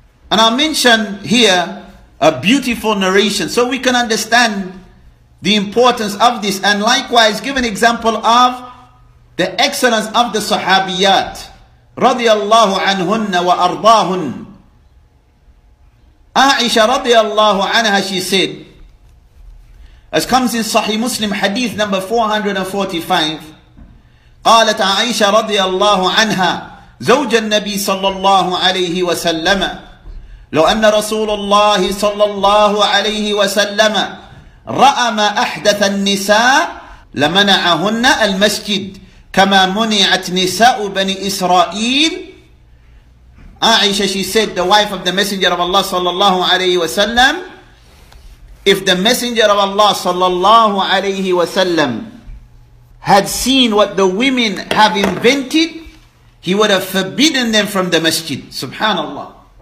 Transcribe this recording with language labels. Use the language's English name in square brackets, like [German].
[English] And I mention here a beautiful narration, so we can understand the importance of this, and likewise give an example of the excellence of the Sahabiyat, [Arabic] radiyallahu anhunna wa ardahun. Aisha radiyallahu anha, [English] she said, as comes in Sahih Muslim, hadith number 445, [Arabic] قالت Aisha radiyallahu anha, زوج النبي صلى الله عليه وسلم, لو أن رسول الله صلى الله عليه وسلم رأى ما أحدث النساء لمنعهن المسجد كما منعت نساء بني إسرائيل. [English] Aisha, she said, the wife of the Messenger of Allah [Arabic] صلى الله عليه وسلم, [English] if the Messenger of Allah صلى الله عليه وسلم had seen what the women have invented, he would have forbidden them from the masjid. Subhanallah.